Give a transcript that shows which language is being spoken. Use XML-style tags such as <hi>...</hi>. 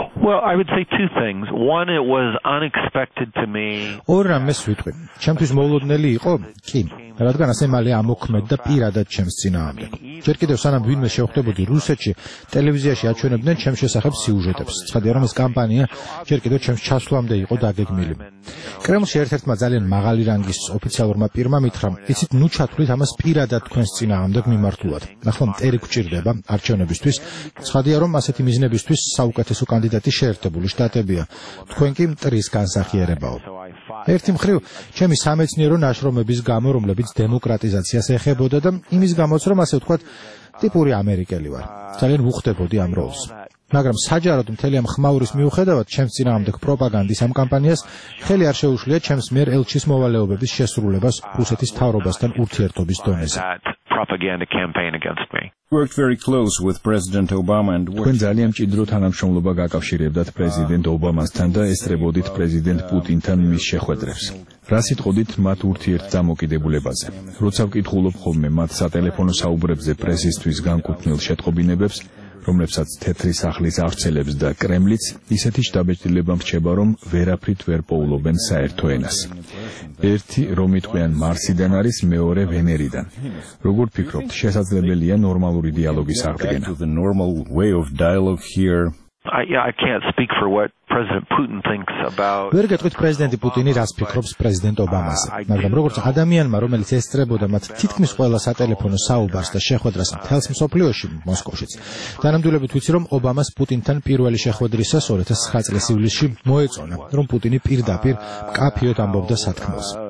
<en>Well, I would say two things. One, it was unexpected to me.</en> <ka>ორი ამას ვიტყვი. ჩემთვის მოულოდნელი იყო, კი, რადგან ასე მალე ამოქმედდა პირადად ჩემს წინააღმდეგ. ჯერ კიდევ სანამ ვინმე შეხვდებოდი რუსეთში, ტელევიზიაში აჩვენებდნენ ჩემს შესახებ სიუჟეტებს. ცხადია, რომ ეს კამპანია ჯერ კიდევ ჩემს ჩასვლამდე იყო დაგეგმილი. კრემლში ერთ-ერთმა ძალიან მაღალი რანგის ოფიციალურმა პირმა მითხრა, იცით, ნუ ჩათვლით ამას პირადად თქვენს წინააღმდეგ მიმართულად. ახლა მტერი გვჭირდება არჩევნებისთვის. ცხადია, რომ ასეთი მიზნებისთვის საუკეთესო კანდიდატი ეს შეერთებული შტატებია. თქვენ კი მტრის განსახიერებაო. ერთი მხრივ, ჩემი სამეცნიერო ნაშრომების გამო, რომლებიც დემოკრატიზაციას ეხებოდა და იმის გამოც, რომ ასე ვთქვათ, ტიპური ამერიკელი ვარ. ძალიან ვუხდებოდი ამ როლს. მაგრამ საჯაროდ მთელი ამ ხმაურის მიუხედავად, ჩემს წინააღმდეგ პროპაგანდის ამ კამპანიას ხელი არ შეუშლია ჩემს მიერ ელჩის მოვალეობების შესრულებას რუსეთის მთავრობასთან ურთიერთობის დონეზე.</ka> <en>Propaganda campaign against me. Worked very close with President Obama and worked.</en> <ka>ძალიან მჭიდრო თანამშრომლობა გაკავშირებდათ პრეზიდენტ ობამასთან და ესწრებოდით პრეზიდენტ პუტინთან მის შეხვედრებს. რა სიტყვით მათ ურთიერთდამოკიდებულებაზე? როცა ვკითხულობ ხოლმე მათ სატელეფონო საუბრებზე პრესისთვის განკუთვნილ შეტყობინებებს, რომლებსაც თეთრი სახლის არცელებს და კრემლიც, ისეთი შტაბეჭდილება მრჩება, რომ ვერაფრით ვერ პოულობენ საერთო ენას. ერთი რომ იტყვიან მარსიდან არის, მეორე ვენერიდან. როგორ ფიქრობთ, შესაძლებელია ნორმალური დიალოგის აღდგენა?</ka> <en>I can't speak for what President Putin thinks about.</en> <ka>ვერ გეტყვით პრეზიდენტი პუტინი რას ფიქრობს პრეზიდენტ ობამაზე, მაგრამ როგორც ადამიანმა, რომელიც ესწრებოდა მათ თითქმის ყველა სატელეფონო საუბარს და შეხვედრას მთელს მსოფლიოში, მოსკოვშიც, დანამდვილებით ვიცი, რომ ობამას პუტინთან პირველი შეხვედრისას 2009 წლის ივლისში მოეწონა, რომ პუტინი პირდაპირ მკაფიოდ ამბობდა სათქმელს.</ka>